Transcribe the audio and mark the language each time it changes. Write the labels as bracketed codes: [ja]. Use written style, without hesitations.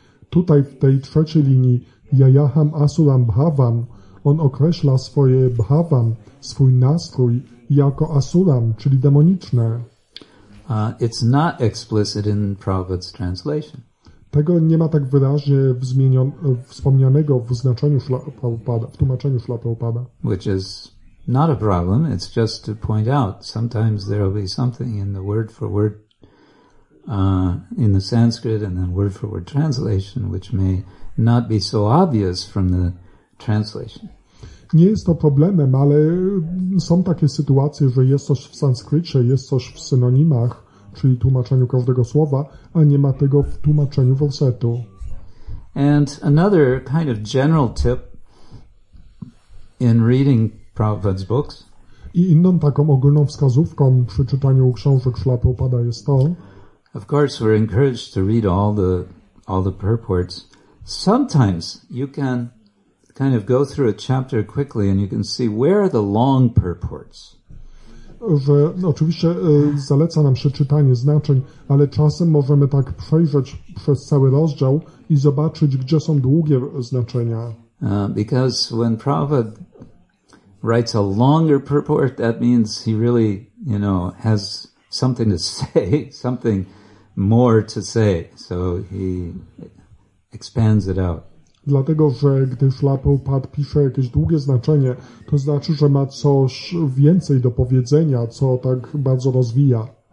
[pl] Tutaj w tej trzeciej linii [sa] yayaham asuram bhavam, [pl] on określa swoje bhavam, swój nastrój jako asuram, czyli demoniczne. [en] It's not explicit in Prabhupada's translation. [pl] Tego nie ma tak wyraźnie wspomnianego w znaczeniu Śla Prabhupada, w tłumaczeniu Śla Prabhupada. [en] Which is not a problem, it's just to point out, sometimes there will be something in the word for word in the Sanskrit and then word for word translation, which may not be so obvious from the translation. [pl] Nie jest to problemem, ale są takie sytuacje, że jest coś w sanskrycie, jest coś w synonimach, czyli tłumaczeniu każdego słowa, a nie ma tego w tłumaczeniu wersetu. [en] And another kind of general tip in reading Prabhupada's books. [pl] I inną taką ogólną wskazówką przy czytaniu książek Śla Prabhupada jest to. [en] Of course, we're encouraged to read all the purports. Sometimes you can kind of go through a chapter quickly and you can see where are the long purports. [pl] Że oczywiście zaleca nam przeczytanie znaczeń, ale czasem możemy tak przejrzeć przez cały rozdział i zobaczyć, gdzie są długie znaczenia. [en] Because when Prabhupada writes a longer purport, that means he really, you know, has something to say, something more to say, so he expands it out. [pl] Dlatego, że gdy Śla Prabhupada pisze jakieś długie znaczenie, to znaczy, że ma coś więcej do powiedzenia, co tak bardzo rozwija.